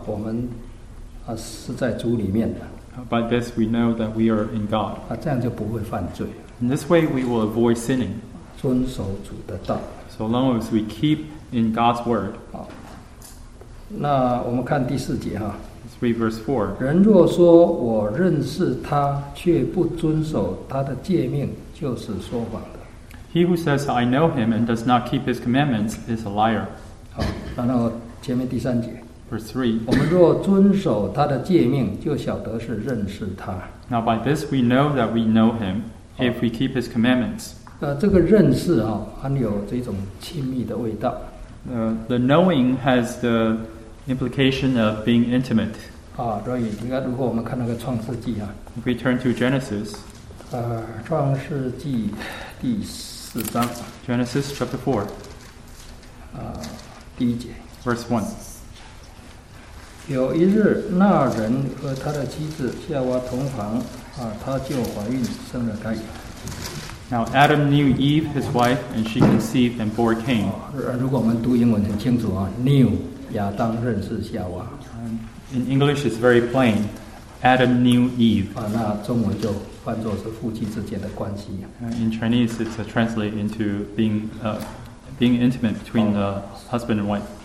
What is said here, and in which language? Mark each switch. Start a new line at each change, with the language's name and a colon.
Chinese: 那从此我们就知道我们是在主里面的。
English: By this we know that we are in God.
Chinese: 这样就不会犯罪。
English: In this way we will avoid sinning.
Chinese: 遵守主的道。
English: So long as we keep in God's word.
Chinese: 那我们看第四节哈。
English: Let's read verse 4.
Chinese: 人若说我认识他却不遵守他的诫命就是说谎的。
English: He who says I know him and does not keep his commandments is a liar.
Chinese: 好，然后前面第三节。
English: Verse 3.
Chinese: 我们若遵守他的诫命就晓得是认识他。
English: Now by this we know that we know him if we keep his commandments.
Chinese: 这个认识含有这种亲密的味道。
English: The knowing has the implication of being intimate.
Chinese: 所以如果我们看那个创世纪啊。
English: If we turn to Genesis.
Chinese: 创世纪第4章。
English: Genesis chapter 4.
Chinese: 第一节。
English: Verse 1.
Chinese: 有一日，那人和他的妻子夏娃同房，她就怀孕生了该隐。
English: Now Adam knew Eve, his wife, and she conceived and bore Cain.
Chinese: 如果我们读英文很清楚啊 ，knew 亚当认识夏娃。
English: In English, it's very plain. Adam knew Eve.
Chinese: 那中文就翻作是夫妻之间的关系。
English: In Chinese, it's translated into being intimate between the husband and wife.